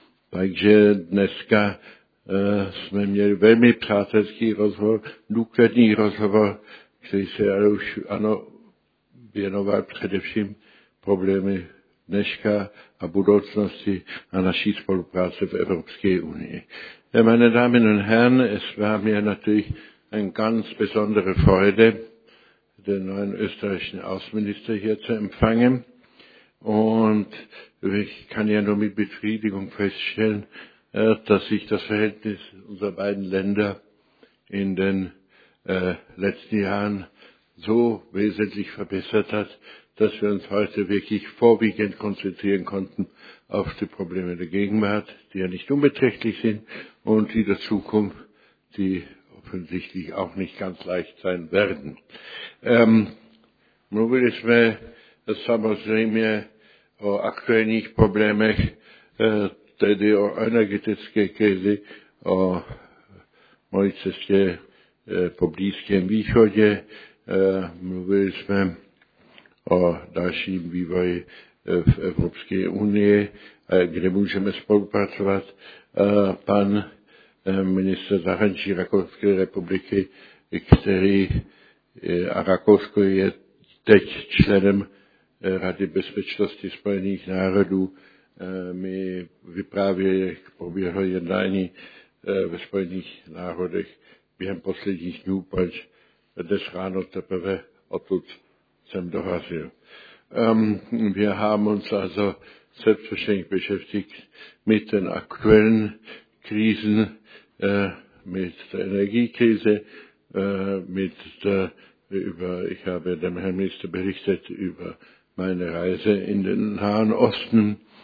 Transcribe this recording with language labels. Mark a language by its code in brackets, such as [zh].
[cs] Takže dneska jsme měli velmi přátelský rozhovor, důkladný rozhovor, který se ale už ano, věnoval především problémy dneška a budoucnosti a naší spolupráce v Evropské unii. [de] Meine Damen und Herren, es war mir natürlich ein ganz besondere Freude, den neuen österreichischen Außenminister hier zu empfangen. Und ich kann ja nur mit Befriedigung feststellen, dass sich das Verhältnis unserer beiden Länder in den letzten Jahren so wesentlich verbessert hat, dass wir uns heute wirklich vorwiegend konzentrieren konnten auf die Probleme der Gegenwart, die ja nicht unbeträchtlich sind, und die der Zukunft, die offensichtlich auch nicht ganz leicht sein werden. [cs] Mluvili jsme samozřejmě o aktuálních problémech, tedy o energetické krizi, o mojí cestě po Blízkém východě. Mluvili jsme o dalším vývoji v Evropské unii, kde můžeme spolupracovat. Pan ministr zahraničí Rakouské republiky, který a Rakousko je teď členem Rady bezpečnosti Spojených národů, mi vyprávěl, jak proběhlo jednání ve Spojených národech během posledních dnů, proč dnes ráno teprve odtud jsem dorazil. [de] Wir haben uns also selbstverständlich beschäftigt mit den aktuellen Krisen, mit der Energiekrise, mit der, über, ich habe dem Herrn Minister berichtet über meine Reise in den Nahen Osten.